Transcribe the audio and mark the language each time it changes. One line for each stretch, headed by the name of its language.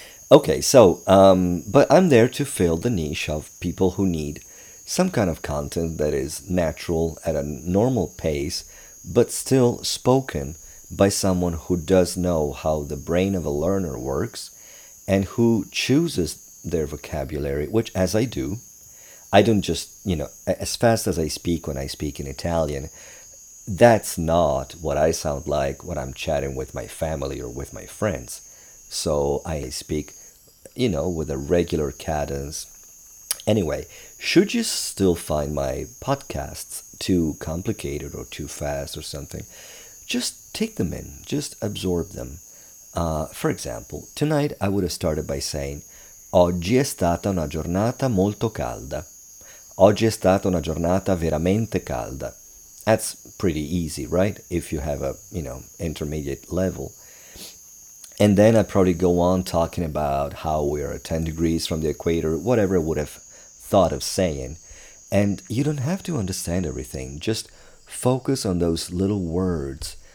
English: Okay, so, but I'm there to fill the niche of people who need some kind of content that is natural at a normal pace, but still spoken by someone who does know how the brain of a learner works and who chooses their vocabulary, which, as I do, I don't just, you know, as fast as I speak when I speak in Italian, that's not what I sound like when I'm chatting with my family or with my friends. So I speak, you know, with a regular cadence. Anyway, should you still find my podcasts too complicated or too fast or something, just take them in, just absorb them. For example, tonight I would have started by saying,
Italian: oggi è stata una giornata molto calda. Oggi è stata una giornata veramente calda.
English: That's pretty easy, right? If you have a, you know, intermediate level. And then I'd probably go on talking about how we are 10 degrees from the equator, whatever I would have thought of saying. And you don't have to understand everything. Just focus on those little words.